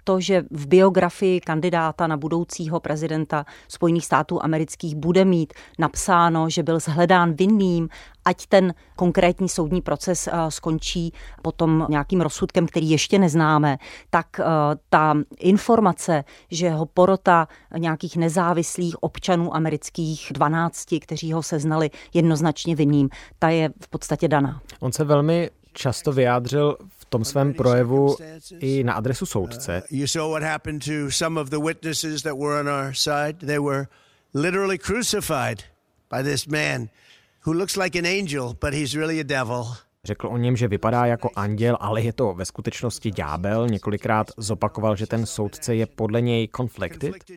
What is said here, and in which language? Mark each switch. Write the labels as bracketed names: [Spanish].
[Czech] To, že v biografii kandidáta na budoucího prezidenta Spojených států amerických bude mít napsáno, že byl shledán vinným, ať ten konkrétní soudní proces skončí potom nějakým rozsudkem, který ještě neznáme, tak ta informace, že ho porota nějakých nezávislých občanů amerických 12, kteří ho seznali jednoznačně vinným, ta je v podstatě daná. On se velmi často vyjádřil v tom svém projevu i na adresu soudce. [English] You saw what happened to some of the witnesses that were on our side. They were literally crucified by this man who looks like an angel, but he's really a devil. [Czech] Řekl o něm, že vypadá jako anděl, ale je to ve skutečnosti ďábel. Několikrát zopakoval, že ten soudce je podle něj conflicted.